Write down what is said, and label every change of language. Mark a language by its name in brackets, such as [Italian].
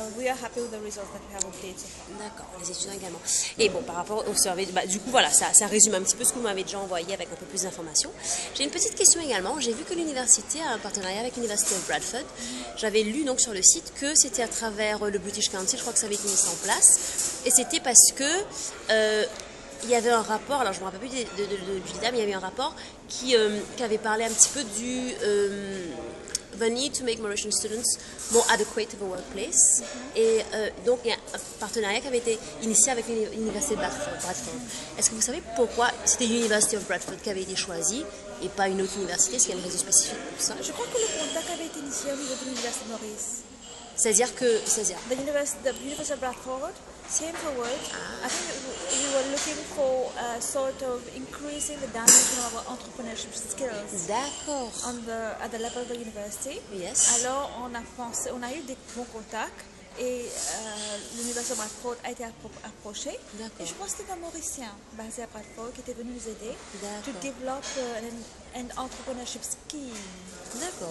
[English] And we are happy with the results that we have obtained so far. [French] D'accord, les étudiants également. Et bon, par rapport au survey, bah, du coup, voilà, ça résume un petit peu ce que vous m'avez déjà envoyé avec un peu plus d'informations. J'ai une petite question également. J'ai vu que l'université a un partenariat avec l'université de Bradford. J'avais lu donc sur le site que c'était à travers le British Council, je crois que ça avait été mis en place. Et c'était parce que... il y avait un rapport, alors je ne me rappelle plus du détail, mais il y avait un rapport qui avait parlé un petit peu du [English] the need to make Mauritian students more adequate to the workplace. Mm-hmm. [French] Et donc il y a un partenariat qui avait été initié avec l'université de Bradford. Est-ce que vous savez pourquoi c'était l'université de Bradford qui avait été choisie et pas une autre université? Est-ce qu'il y a une raison spécifique pour ça? Je crois que le contact avait été initié au niveau de l'université de Maurice. C'est-à-dire que, c'est-à-dire [English] The university of Bradford, same for work. Ah. I think we were looking for a sort of increasing the dimension of our entrepreneurship skills. [French] D'accord. [English] At the level of the university. Yes. [French] Alors, on a eu des bons contacts et l'université de Bradford a été approchée. D'accord. Et je pense que c'était un Mauricien basé à Bradford qui était venu nous aider. D'accord. [English] To develop an entrepreneurship scheme. [French] D'accord.